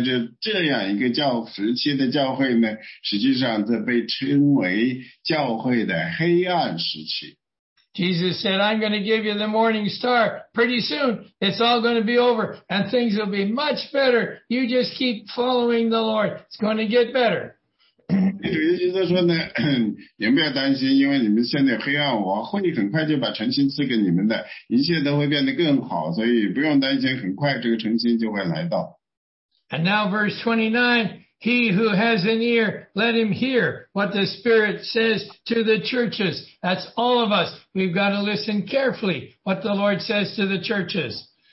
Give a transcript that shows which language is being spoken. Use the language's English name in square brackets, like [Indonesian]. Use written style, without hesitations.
[Chinese] 因为当时那个天上天大教会从公元后600年到公元后1500年之间呢，这样一个教时期的教会呢，实际上这被称为教会的黑暗时期。 [English] Jesus said, I'm going to give you the morning star. Pretty soon, it's all going to be over and things will be much better. You just keep following the Lord. It's going to get better. [Chinese] 也就是说呢，您不要担心，因为你们现在黑暗，我会很快就把晨星赐给你们的，一切都会变得更好，所以不用担心，很快这个晨星就会来到。 [English] And now verse 29, he who has an ear, let him hear what the Spirit says to the churches. That's all of us. We've got to listen carefully what the Lord says to the churches.